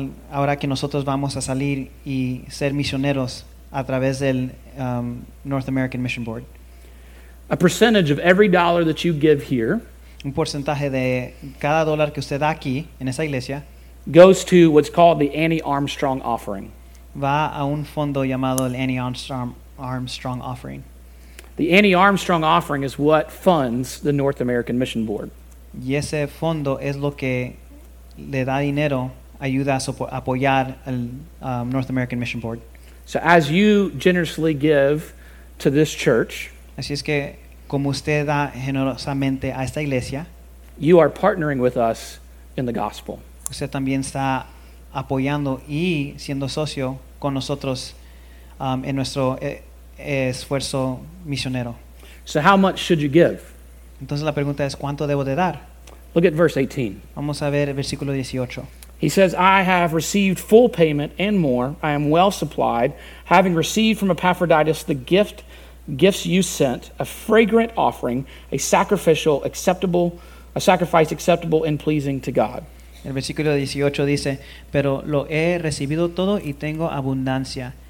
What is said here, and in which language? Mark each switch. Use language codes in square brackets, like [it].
[es] Ahora que nosotros vamos a salir y ser misioneros a través del North American Mission Board. [en] A percentage of every dollar that you give here, [es] un porcentaje de cada dólar que usted da aquí en esa iglesia, [en] goes to what's called the Annie Armstrong Offering. [es] Va a un fondo llamado el Annie Armstrong Offering. [en] The Annie Armstrong Offering is what funds the North American Mission Board. [es] Y ese fondo es lo que le da dinero, ayuda a apoyar al North American Mission Board. [en] So as you generously give to this church, [es] así es que como usted da generosamente a esta iglesia, [en] you are partnering with us in the gospel. [es] Usted también está apoyando y siendo socio con nosotros en nuestro esfuerzo misionero. [en] So how much should you give? [es] Entonces la pregunta es, ¿cuánto debo de dar? [en] Look at verse 18. [es] Vamos a ver el versículo 18. [en] He says, "I have received full payment and more. I am well supplied, having received from Epaphroditus the gifts you sent, a fragrant offering, a sacrifice acceptable and pleasing to God." [es] El versículo 18 dice, pero lo he recibido todo y tengo abundancia.